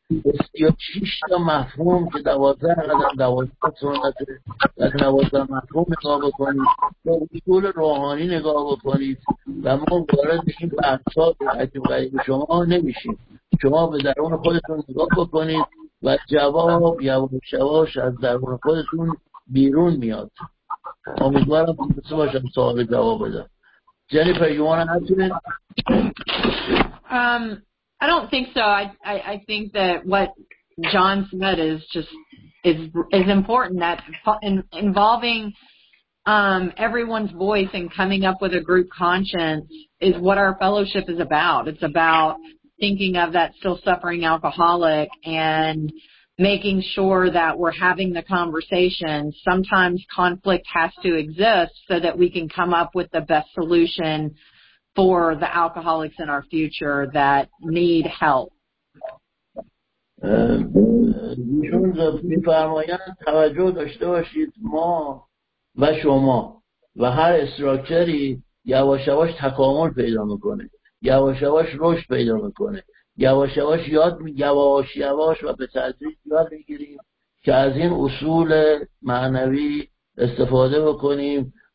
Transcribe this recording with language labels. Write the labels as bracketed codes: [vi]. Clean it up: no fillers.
[fa] 36 تا مفهوم که 12 قدم 12 سنت و 12 مفهوم نگاه بکنید، به اصول روحانی نگاه بکنید و ما وارد این بحث‌ها در عجیب غریب شما نمیشیم. شما به درون خودتون نگاه بکنید و جواب یواش یواش از درون خودتون بیرون میاد. امیدوارم بسه باشم سوال جواب بدم. [en] Jennifer, you want to add to that? I don't think so. I think that what John said is just is important, that involving everyone's voice and coming up with a group conscience is what our fellowship is about. It's about thinking of that still suffering alcoholic and making sure that we're having the conversation. Sometimes conflict has to exist so that we can come up with the best solution for the alcoholics in our future that need help. [fa] ایشون می‌فرمایند توجه داشته باشید ما و شما و هر استراکچری یواش یواش تکامل پیدا میکنه، یواش یواش رشد پیدا میکنه، یواش یواش یاد یواش یواش و به تدریج یاد میگیریم که از این اصول معنوی استفاده بکنیم